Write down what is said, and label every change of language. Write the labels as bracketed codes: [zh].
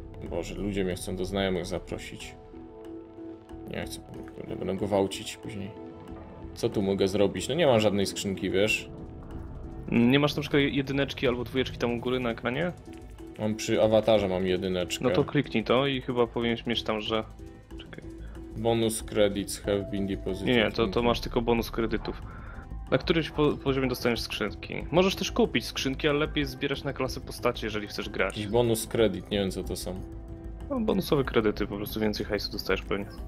[pl] Boże, ludzie mnie chcą do znajomych zaprosić. Nie chcę, będę gwałcić później. Co tu mogę zrobić? No nie mam żadnej skrzynki, wiesz? Nie masz na przykład jedyneczki albo dwójeczki tam u góry na ekranie? Mam przy awatarze mam jedyneczkę. No to kliknij to i chyba powinieneś mieć tam, że... Czekaj. [en] Bonus credits have been deposited. [pl] Nie, to masz tylko bonus kredytów. Na którymś poziomie dostaniesz skrzynki. Możesz też kupić skrzynki, ale lepiej zbierać na klasę postaci, jeżeli chcesz grać. Jakiś bonus kredyt, nie wiem co to są. No bonusowe kredyty, po prostu więcej hajsu dostajesz pewnie.